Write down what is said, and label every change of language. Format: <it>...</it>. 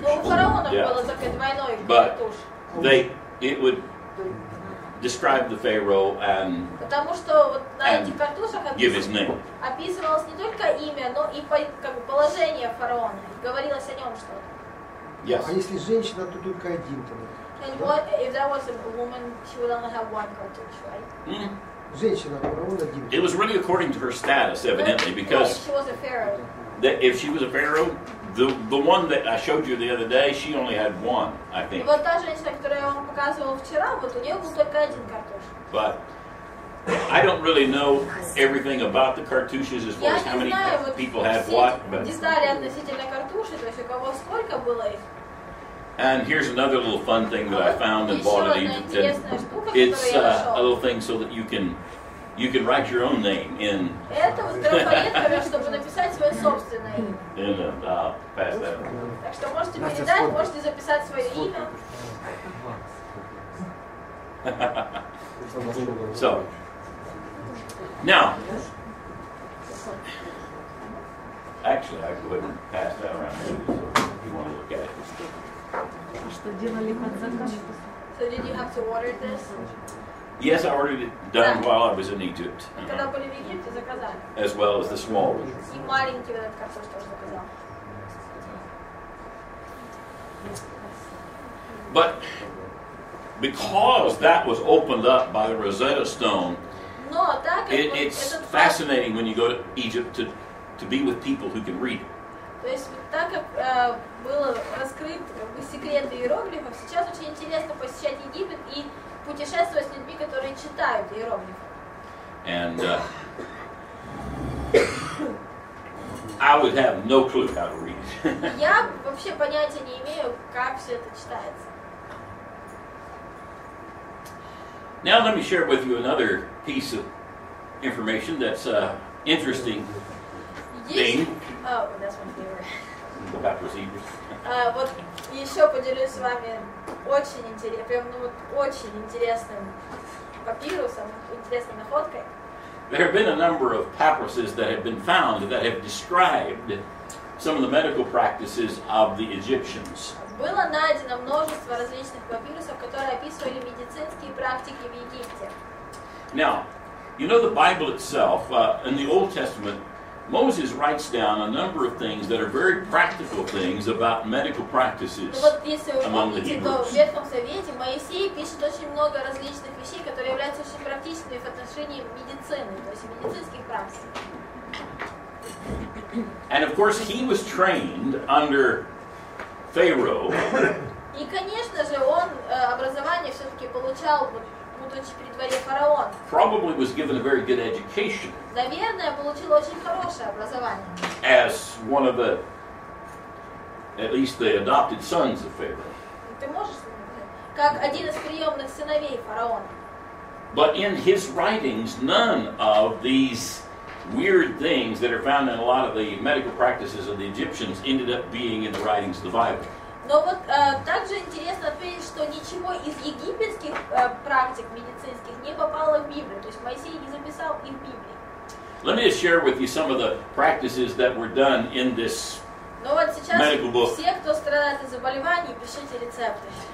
<ru>Ну, у фараонов было только двойной картуш.</ru> <en>But they, it would describe the pharaoh and</en> <ru>потому что вот на этих картушах описывалось не только имя, но и как бы положение фараона, говорилось о нем что-то.</ru> <en>Yes.</en> <ru>А если женщина, то только один тогда.</ru> <en>And</en> <ru>да?</ru> <en>What if that was a woman, she would only have one cartouche, right? Mm-hmm.</en> <ru>Женщина, фараон один.</ru> <en>It was really according to her status, evidently, because if she was a pharaoh. That if she was a pharaoh, the one that I showed you the other day, she only had one, I think.</en> <ru>Вот та женщина, которую я вам показывал вчера, вот у нее был только один картуш.</ru> <en>But I don't really know everything about the cartouches as far as how many people had what. But</en> <ru>детали относительно картуши, то есть у кого сколько было их.</ru> <en>And here's another little fun thing that I found and bought in Egypt. It's a little thing so that you can write your own name in.</en> <ru>Это вот такая монета, чтобы написать свое собственное имя.</ru> <en>In the pass that.</en> <ru>Так что можете передать, можете записать свое имя.</ru> <en>So now, actually, I go ahead and pass that around to you, so if you want to look at it.</en> <ru>Что делали под заказ?</ru> <en>So did you have to order this? Yes, I ordered it done while I was in Egypt.</en> <ru>Когда были в Египте, заказали.</ru> <en>As well as the small one.</en> <ru>И маленький вот этот картош тоже заказал.</ru> <en>But because that was opened up by the Rosetta Stone, it's fascinating when you go to Egypt to be with people who can read it.</en> <ru>То есть так как был раскрыт секрет иероглифов, сейчас очень интересно посещать Египет и путешествовать с людьми, которые читают иероглифы.</ru> <en>And I would have no clue how to read.</en> <ru>Я вообще понятия не имею, как все это читается.</ru> <en>Now let me share with you another piece of information that's interesting thing. Oh, that's my favorite. About procedures.</en> <ru>Вот еще поделюсь с вами очень интересным, прям ну вот очень интересным папирусом, интересной находкой.</ru> <en>There have been a number of papyruses that have been found that have described some of the medical practices of the Egyptians.</en> <ru>Было найдено множество различных папирусов, которые описывали медицинские практики в Египте.</ru> <en>Now, you know the Bible itself, in the Old Testament, Moses writes down a number of things that are very practical things about medical practices among the Hebrews.</en> <ru>В Ветхом Завете Моисей пишет очень много различных вещей, которые являются очень практичными в отношении медицины, то есть медицинских практик.</ru> <en>And of course, he was trained under Pharaoh.</en> <ru>И, конечно же, он образование все-таки получал, будучи при дворе фараона.</ru> <en>Probably was given a very good education.</en> <ru>Наверное, получил очень хорошее образование.</ru> <en>As one of the, at least the adopted sons of Pharaoh.</en> <ru>Ты можешь, как один из приемных сыновей фараона.</ru> <en>But in his writings, none of these weird things that are found in a lot of the medical practices of the Egyptians ended up being in the writings of the Bible.</en> <ru>Но вот также интересно отметить, что ничего из египетских практик медицинских не попало в Библию. То есть Моисей не записал их в Библии.</ru> <en>Let me just share with you some of the practices that were done in this medical book.</en> <ru>Но вот сейчас все, кто страдает от заболеваний, пишите рецепты.</ru>